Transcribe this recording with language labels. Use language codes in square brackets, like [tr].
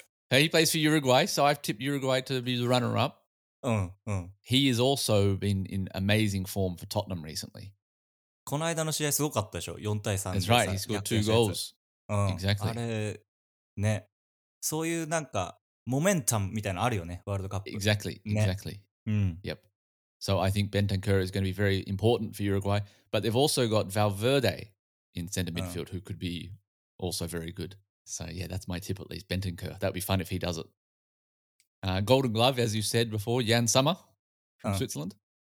[en] He plays for Uruguay, so I've tipped Uruguay to be the runner-up. He has also been in amazing form for Tottenham recently. [ja] この間の試合すごかったでしょ ?4 対 [en] 3. That's right, he's got two goals. Exactly. [ja] あれ、ね、そういうなんかモメンタムみたいなのあるよね、ワールドカップ。 [en] Exactly, exactly.、ね、yep. So I think Bentancur is going to be very important for Uruguay. But they've also got Valverde in center midfield who could be also very good. So yeah, that's my tip at least, Bentancur. That would be fun if he does it.、Golden Glove, as you said before, Jan Sommer from Switzerland.